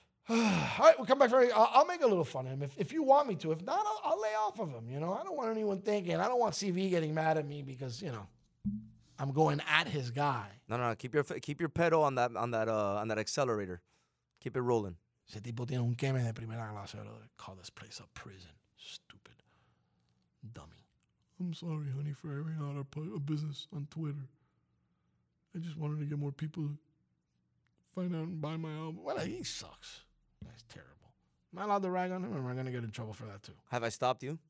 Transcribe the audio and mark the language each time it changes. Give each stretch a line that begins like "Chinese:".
English: All right, we'll come back. I'll make a little fun of him if you want me to. If not, I'll lay off of him. You know, I don't want anyone thinking. I don't want CV getting mad at me because you know I'm going at his guy. No. Keep your pedal on that accelerator. Keep it rolling.
Spanish: Ese tipo tiene un queme de primera clase.
English: Call this place a prison. Stupid, dummy. I'm sorry, honey, for airing out our business on Twitter. I just wanted to get more people to find out and buy my album. Well, he sucks. That's terrible. Am I allowed to rag on him or am I going to get in trouble for that too? Have I stopped you?